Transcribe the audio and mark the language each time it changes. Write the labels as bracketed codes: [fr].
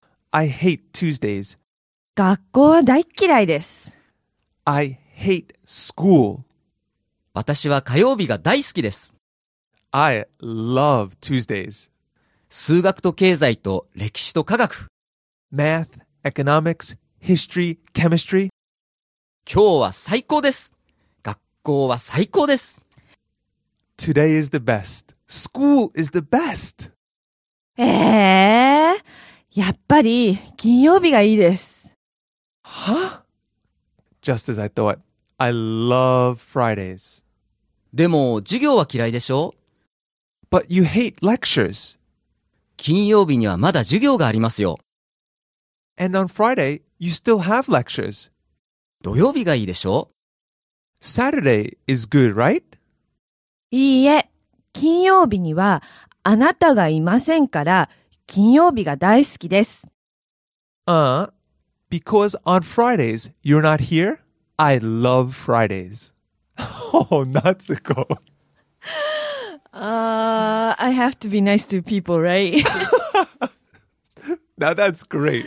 [en] I hate Tuesdays. [ja] 学校は大嫌いです。 [en] I hate school. [ja] 私は火曜日が大好きです。 [en] I love Tuesdays. [ja] 数学と経済と歴史と科学。 [en] Math, economics,History, chemistry. [ja] 今日は最高です。学校は最高です。 [en] Today is the best. School is the best. [ja] やっぱり金曜日がいいです。 [en] Huh? Just as I thought. I love Fridays. [ja] でも授業は嫌いでしょ？ [en] But you hate lectures. [ja] 金曜日にはまだ授業がありますよ。 [en] And on Friday, you still have lectures. [ja] 土曜日がいいでしょ？ [en] Saturday is good, right? [ja] いいえ、金曜日にはあなたがいませんから、金曜日が大好きです。 [en] Because on Fridays, you're not here? I love Fridays. Oh, Natsuko. I have to be nice to people, right? Now that's great.